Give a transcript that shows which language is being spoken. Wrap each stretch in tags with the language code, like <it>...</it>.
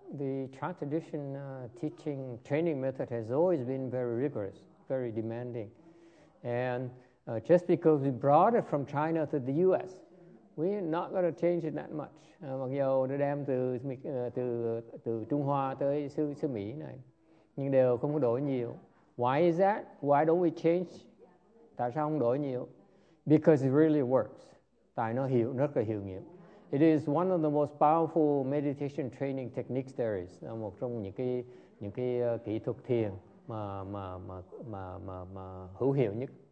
<en>The Chinese tradition teaching training method has always been very rigorous, very demanding, and just because we brought it from China to the U.S., we're not going to change it that much.</en> <vi>Mặc dù nó đem từ Trung Hoa tới xứ Mỹ này, nhưng đều không có đổi nhiều.</vi> <en>Why is that? Why don't we change?</en> <vi>Tại sao không đổi nhiều?</vi> <en>Because it really works.</en> <vi>Tại nó hiệu, rất là hiệu nghiệm.</vi> <en>It is one of the most powerful meditation training techniques there is.</en> <vi>Một trong những cái kỹ thuật thiền mà hữu hiệu nhất.</vi>